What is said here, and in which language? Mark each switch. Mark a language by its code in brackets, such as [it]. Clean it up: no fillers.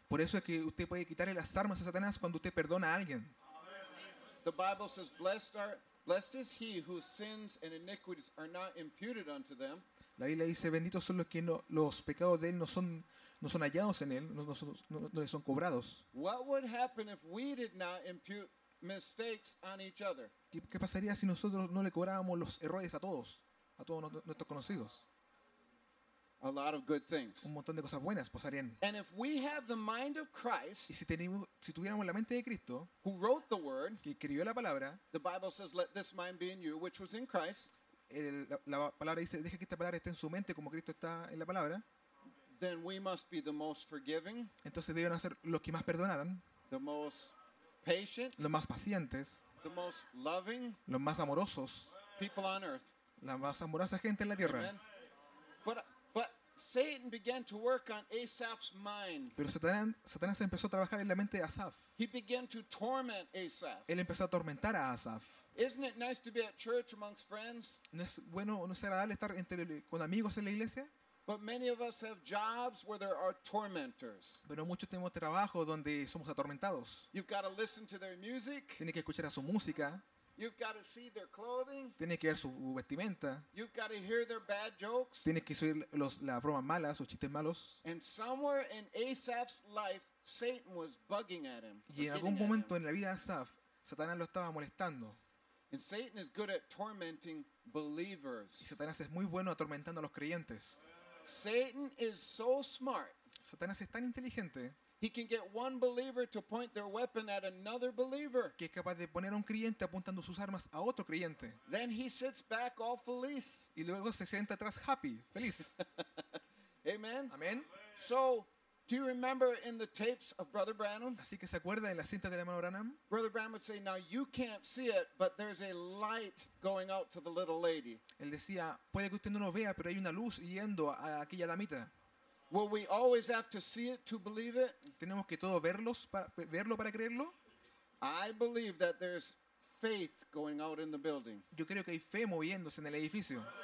[es] Por eso es que usted puede quitarle las armas a Satanás cuando usted perdona a alguien. [en] The Bible says, "Blessed is he whose sins and iniquities are not imputed unto them." [es] La Biblia dice, "Benditos son los que los pecados de él no son hallados en él, no le son cobrados." [en] What would happen if we did not impute mistakes on each other? [es] ¿Qué pasaría si nosotros no le cobráramos los errores a todos nuestros conocidos? [en] A lot of good things. [es] Un montón de cosas buenas pasarían. [en] And if we have the mind of Christ, [es] y si tuviéramos la mente de Cristo, [en] who wrote the word, [es] que escribió la palabra, [en] the Bible says, "Let this mind be in you, which was in Christ." [es] La palabra dice, deja que esta palabra esté en su mente como Cristo está en la palabra. [en] Then we must be the most forgiving. [es] Entonces deben ser los que más perdonaran. [en] The most patient. [es] Los más pacientes. [en] The most loving. [es] Los más amorosos. [en] People on earth. [es] La más amorosa gente en la tierra. [en] Amen. But Satan began to work on Asaph's mind. [es] Pero Satanás empezó a trabajar en la mente de Asaph. [en] He began to torment Asaph. [es] Él empezó a atormentar a Asaph. [en] Isn't it nice to be at church amongst friends? [es] ¿No es agradable estar con amigos en la iglesia? [en] But many of us have jobs where there are tormentors. [es] Pero muchos tenemos trabajos donde somos atormentados. [en] You've got to listen to their music. [es] Tienes que escuchar a su música. [en] You've got to see their clothing. [es] Tienes que ver su vestimenta. [en] You've got to hear their bad jokes. [es] Tienes que oír las bromas malas, sus chistes malos. [en] And somewhere in Asaph's life, Satan was bugging at him. [es] Y en algún momento en la vida de Asaph, Satanás lo estaba molestando. [en] And Satan is good at tormenting believers. [es] Y Satanás es muy bueno atormentando a los creyentes. [en] Satan is so smart. [es] Satanás es tan inteligente. [en] He can get one believer to point their weapon at another believer. [es] Que es capaz de poner a un creyente apuntando sus armas a otro creyente. [en] Then he sits back all feliz. [es] Y luego se sienta atrás happy, feliz. [en] Amen. Amen. So, do you remember in the tapes of Brother Branham? [es] Así que se acuerda en la cinta del hermano Branham? [en] Brother Branham would say, "Now you can't see it, but there's a light going out to the little lady." [es] Él decía, puede que usted no lo vea, pero hay una luz yendo a aquella damita. [en] Will we always have to see it to believe it? [es] ¿Tenemos que todo verlo para creerlo? [en] I believe that there's faith going out in the building. Yo creo que hay fe moviéndose en el edificio.